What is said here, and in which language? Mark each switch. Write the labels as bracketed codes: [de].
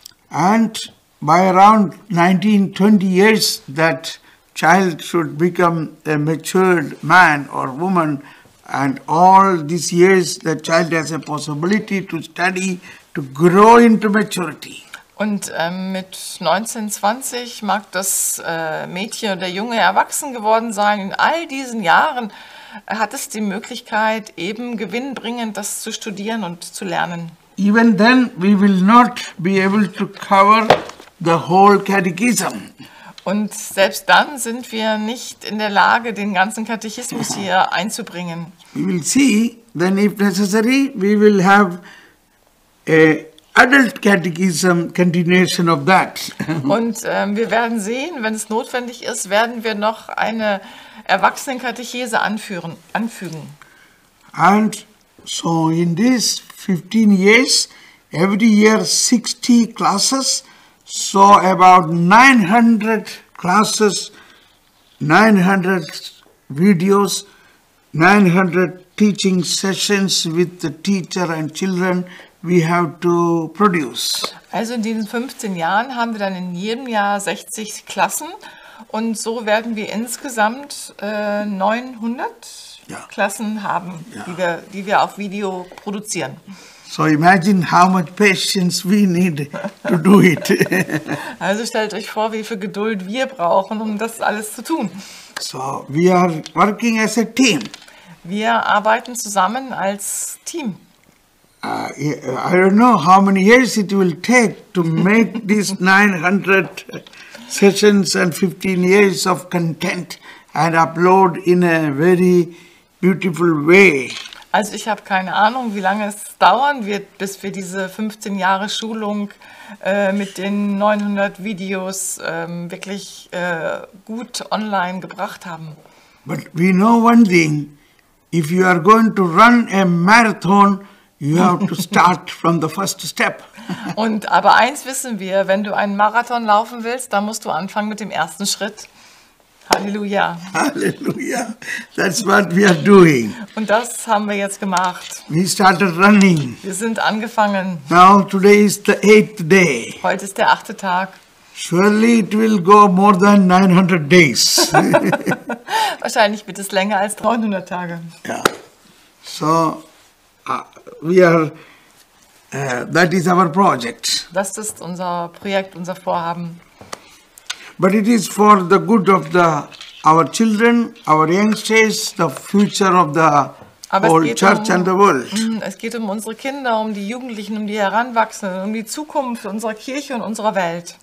[en] And by around 19, 20 years that child should become a matured man or woman, and all these years the child has a possibility to study, to grow into maturity. [de] Und mit 19, 20 mag das Mädchen oder Junge erwachsen geworden sein. In all diesen Jahren hat es die Möglichkeit, eben gewinnbringend das zu studieren und zu lernen. [en] Even then we will not be able to cover the whole catechism. [de] Und selbst dann sind wir nicht in der Lage, den ganzen Katechismus hier einzubringen. [en] We will see, then if necessary, we will have a adult catechism continuation of that. [de] Und wir werden sehen, wenn es notwendig ist, werden wir noch eine Erwachsenenkatechese anfügen. [en] And so in these 15 years, every year 60 classes, so about 900 classes, 900 videos, 900 teaching sessions with the teacher and children we have to produce. [de] Also in diesen 15 Jahren haben wir dann in jedem Jahr 60 Klassen und so werden wir insgesamt 900 Klassen haben, die wir auf Video produzieren. [en] So imagine how much patience we need to do it. [de] Also stellt euch vor, wie viel Geduld wir brauchen, um das alles zu tun. [en] So we are working as a team. [de] Wir arbeiten zusammen als Team. [en] I don't know how many years it will take to make these 900 sessions and 15 years of content and upload in a very beautiful way. [de] Also ich habe keine Ahnung, wie lange es dauern wird, bis wir diese 15 Jahre Schulung mit den 900 Videos wirklich gut online gebracht haben. [en] But we know one thing, If you are going to run a marathon, you have to start from the first step. [de] Und aber eins wissen wir, wenn du einen Marathon laufen willst, dann musst du anfangen mit dem ersten Schritt. Halleluja. [en] Halleluja. That's what we are doing. [de] Und das haben wir jetzt gemacht. [en] We started running. [de] Wir sind angefangen. [en] Now today is the eighth day. [de] Heute ist der achte Tag. [en] Surely it will go more than 900 days. [de] Wahrscheinlich wird es länger als 900 Tage. Ja. Yeah. [en] So we are that is our project. [de] Das ist unser Projekt, unser Vorhaben. [en] But it is for the good of the our children, our youngsters, the future of the whole church and the world. [de] Es geht um unsere Kinder, um die Jugendlichen, um die Heranwachsenden, um die Zukunft unserer Kirche und unserer Welt.